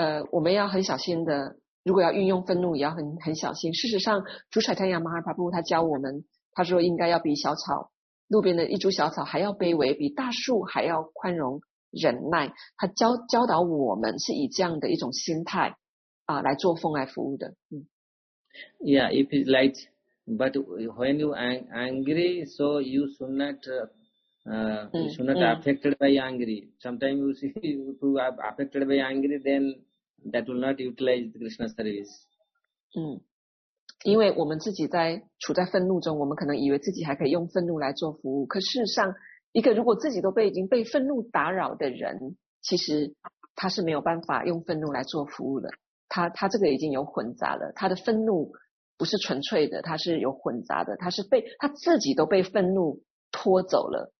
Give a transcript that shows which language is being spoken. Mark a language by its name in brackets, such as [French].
[Chinese] 我们要很小心的，如果要运用愤怒也要很小心。事实上主彩太阳马哈帕布他教我们，他说应该要比小草，路边的一株小草还要卑微，比大树还要宽容忍耐。他教导我们是以这样的一种心态来做奉爱服务的。 [English] Yeah, if it's like, but when you angry, so you should not,affected by angry. Sometimes you see if you are affected by angry, then that will not utilize the Krishna service. [Chinese] 因为我们自己在处在愤怒中，我们可能以为自己还可以用愤怒来做服务。可事实上，一个如果自己都已经被愤怒打扰的人，其实他是没有办法用愤怒来做服务的。他这个已经有混杂了，他的愤怒不是纯粹的，他是有混杂的，他自己都被愤怒拖走了。